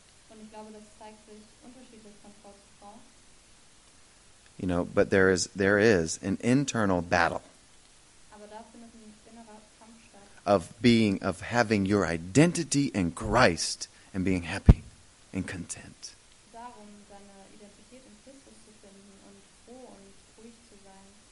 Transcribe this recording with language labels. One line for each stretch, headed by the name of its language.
German: Und ich glaube, das zeigt sich unterschiedlich von Frau zu Frau.
English: You know, but there is an internal battle.
German: Aber da findet ein innerer Kampf statt.
English: Of having your identity in Christ and being happy and content.
German: Darum, seine Identität in Christus zu finden und froh und ruhig zu sein.